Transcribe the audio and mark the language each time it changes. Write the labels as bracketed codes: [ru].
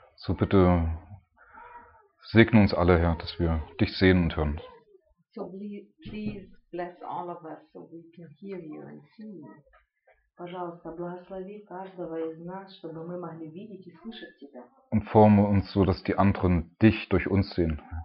[de] So bitte segne uns alle, Herr, dass wir dich sehen und hören. [en] So please bless all of us, so we can hear you and see you. [ru] Пожалуйста, благослови каждого из нас, чтобы мы могли видеть и слышать тебя. [de] Und [ru] форме [de] uns so, dass die anderen dich durch uns sehen.